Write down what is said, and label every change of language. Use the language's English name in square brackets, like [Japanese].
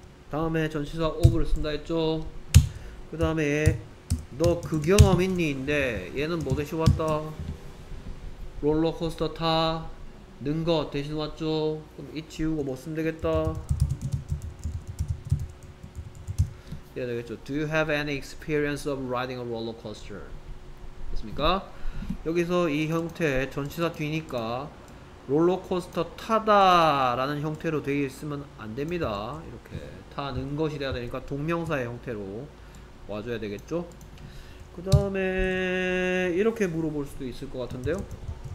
[Korean] 다음에 전치사 of를 쓴다 했죠. 그 다음에 너 그 경험 있니?인데 얘는 뭐 대신 왔다? 롤러코스터 타 는 거 대신 왔죠. 그럼 이 지우고 뭐 쓰면 되겠다. 이해 되겠죠? [English] Do you have any experience of riding a roller coaster? [Korean] 됐습니까? 여기서 이 형태 전치사 뒤니까 롤러코스터 타다라는 형태로 되어 있으면 안 됩니다. 이렇게 타는 것이 돼야 되니까 동명사의 형태로 와줘야 되겠죠? 그 다음에 이렇게 물어볼 수도 있을 것 같은데요.